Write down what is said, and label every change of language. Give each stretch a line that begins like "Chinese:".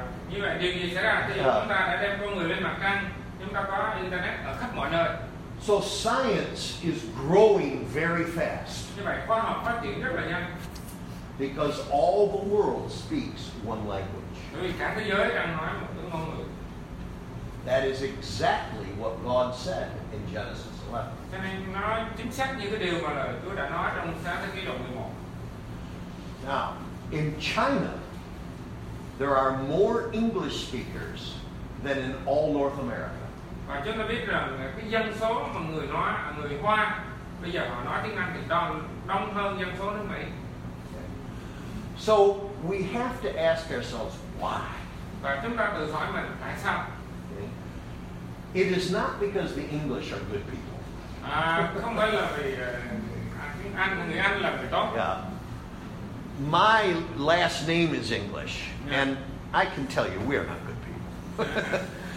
Vietnamese: Như vậy, điều gì xảy ra? Chúng ta đã đem con người lên mặt trăng. Chúng ta có internet ở khắp khắp mọi nơi.
English: So science is growing very fast.
Vietnamese: Như vậy khoa học phát triển rất là nhanh.
English: Because all the world speaks one language.
Vietnamese: Bởi vì cả thế giới đang nói một thứ ngôn ngữ.
English: That is exactly what God said in Genesis 11.
Vietnamese: Cho nên nó chính xác như cái điều mà lời Chúa đã nói trong sáng thế ký đoạn 11.
English: Now, in China, there are more English speakers than in all North America.
Vietnamese: Và chúng ta biết rằng cái dân số mà người nói người Hoa bây giờ họ nói tiếng Anh thì đông hơn dân số nước Mỹ.
English: So we have to ask ourselves why.
Vietnamese: Và chúng ta tự hỏi mình tại sao.
English: It is not because the English are good people.
Vietnamese: Không phải là vì tiếng Anh người Anh là người tốt.
English: Yeah. My last name is English, yeah. And I can tell you we are not good people.